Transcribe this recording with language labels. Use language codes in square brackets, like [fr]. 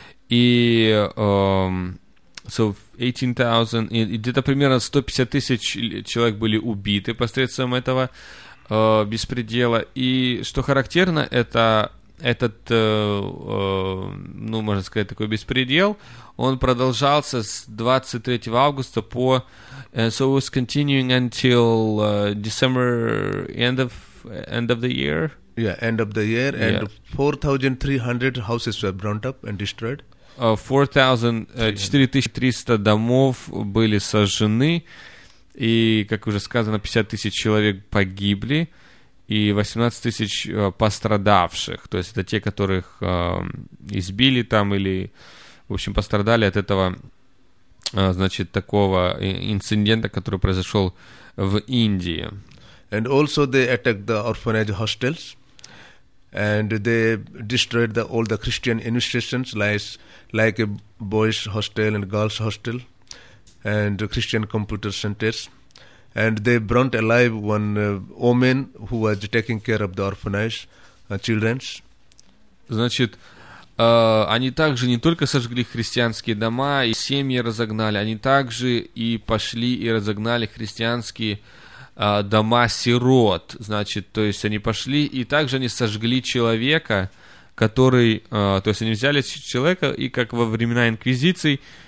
[ru] И, so 18,000, и где-то примерно 150 тысяч человек были убиты посредством этого беспредела. И что характерно, это этот, можно сказать, такой беспредел, он продолжался с 23 августа по... [en] So it was continuing until December, end of the year? Yeah, end of the year, and yeah. 4,300 houses were burnt up and destroyed. [ru] 4,300 домов были сожжены, и, как уже сказано, 50 тысяч человек погибли, и 18 тысяч пострадавших, то есть это те, которых избили там или, в общем, пострадали от этого, значит, такого инцидента, который произошел в Индии. [en] And also they attacked the orphanage hostels. And they destroyed all the Christian institutions, like a boys' hostel and girls' hostel, and Christian computer centers. And they burnt alive one woman who was taking care of the orphanage children. [ru] Значит, они также не только сожгли христианские дома и семьи разогнали, они также и пошли и разогнали христианские дома сирот, значит, то есть они пошли, и также они сожгли человека, который, то есть они взяли человека, и как во времена инквизиции,